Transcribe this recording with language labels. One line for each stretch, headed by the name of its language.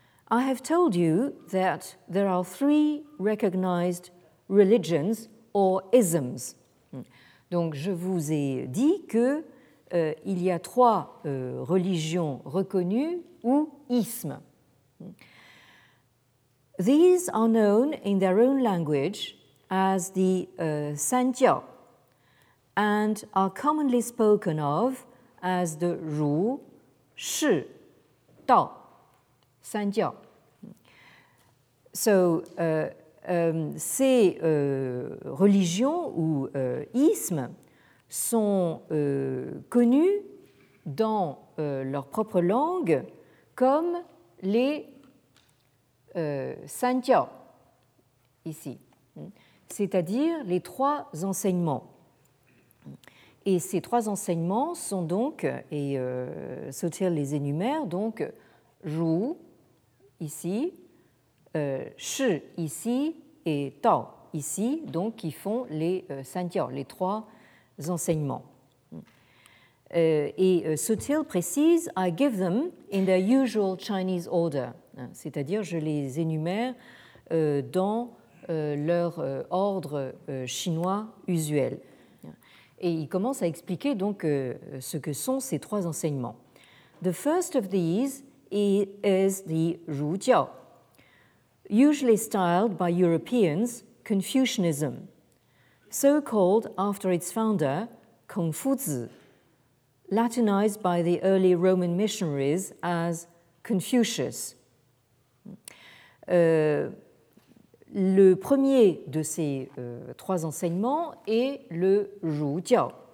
English: I have told you that there are three recognized religions or isms.
French: Donc, je vous ai dit qu'il y a trois religions reconnues ou ismes.
English: These are known in their own language as the Sanjiao and are commonly spoken of as the Ru, Shi, Dao, Sanjiao.
French: So, ces religions ou ismes sont connues dans leur propre langue comme les Sanjiao, ici, c'est-à-dire les trois enseignements. Et ces trois enseignements sont donc, et Soothill les énumère, donc Ru, ici, Shi ici et Tao ici, donc qui font les Sanjiao, les trois enseignements. Et Soothill précise,
English: I give them in their usual Chinese order,
French: c'est-à-dire je les énumère dans leur ordre chinois usuel. Et il commence à expliquer donc ce que sont ces trois enseignements.
English: The first of these is the Ru Jiao, usually styled by Europeans Confucianism, so called after its founder, Kong Fuzi, Latinized by the early Roman missionaries as Confucius.
French: Le premier de ces trois enseignements est le Zhujiao.